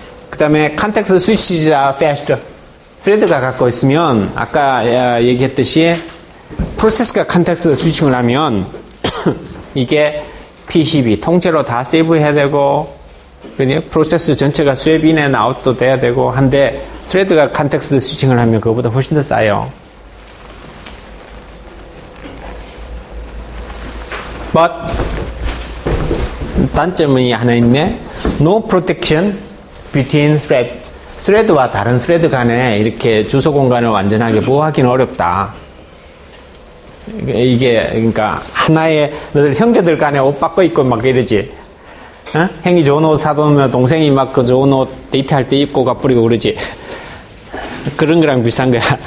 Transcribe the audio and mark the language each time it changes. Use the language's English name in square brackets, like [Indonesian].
[Korean] 그 다음에 컨텍스트 스위치자 패스트. 스레드가 갖고 있으면 아까 얘기했듯이 프로세스가 컨텍스트 스위칭을 하면 이게 PCB 통째로 다 세이브해야 되고 그냥 프로세스 전체가 스웨빈앤 아웃도 돼야 되고 한데 스레드가 컨텍스트 스위칭을 하면 그거보다 훨씬 더 싸요. But 단점이 하나 있네. [English] No protection between thread. [Korean] 스레드와 다른 스레드 간에 이렇게 주소 공간을 완전하게 보호하기는 어렵다. 이게 그러니까 하나의 너들 형제들 간에 옷 바꿔 입고 막 이러지. 어? 형이 좋은 옷 사두면 동생이 막 그 좋은 옷 데이트할 때 입고 가버리고 그러지. 그런 거랑 비슷한 거야.